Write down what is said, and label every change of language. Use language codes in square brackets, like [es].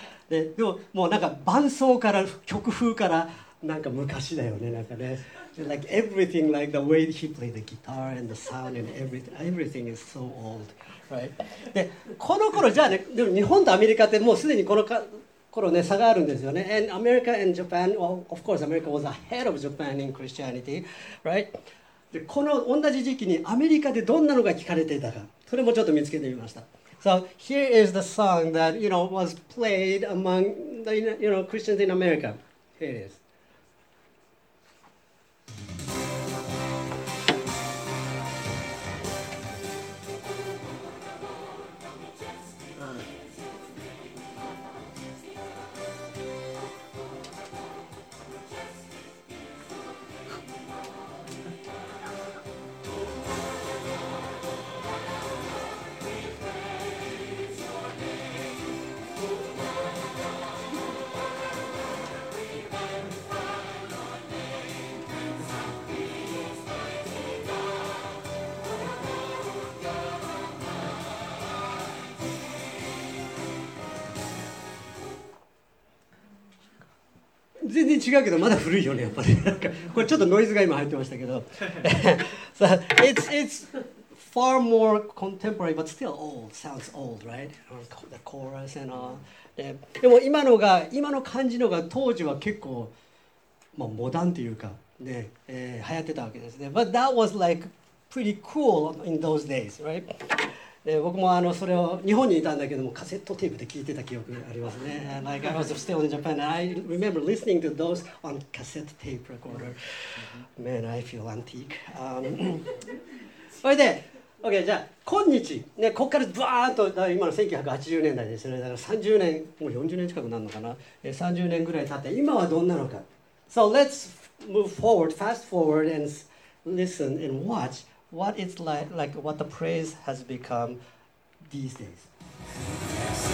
[ja] で、でももうなんか伴奏から曲風からなんか昔だよね、なんかね。 [en] Like everything, like the way he played the guitar and the sound and everything is so old, right? [ja] で、この頃じゃあね、でも日本とアメリカってもうすでにこのか頃ね、差があるんですよね。 [en] And America and Japan, well, of course, America was ahead of Japan in Christianity, right? [ja] で、この同じ時期にアメリカでどんなのが聞かれていたか、それもちょっと見つけてみました。 [en] So here is the song that, you know, was played among the, you know, Christians in America. Here it is. [ja] 全然違うけどまだ古いよねやっぱり。これちょっとノイズが今入ってましたけど。 [en] So, it's far more contemporary but still old. Sounds old, right? The chorus and all. [ja] でも今の感じのが当時は結構、まあ、モダンというか、ね、流行ってたわけですね。 [en] But that was like pretty cool in those days, right? [ja] 僕もそれを日本にいたんだけども、カセットテープで聞いてた記憶がありますね。 [en] Like I was still in Japan, and I remember listening to those on cassette tape recorder. Man, I feel antique. [ja] それで、OK、じゃあ、今日、ね、ここからブワーンと、今の1980年代ですよね。だから30年、もう40年近くなるのかな。 30年ぐらい経って、今はどんなのか。 [en] So let's move forward, fast forward, and listen and watch. What it's like what the praise has become these days.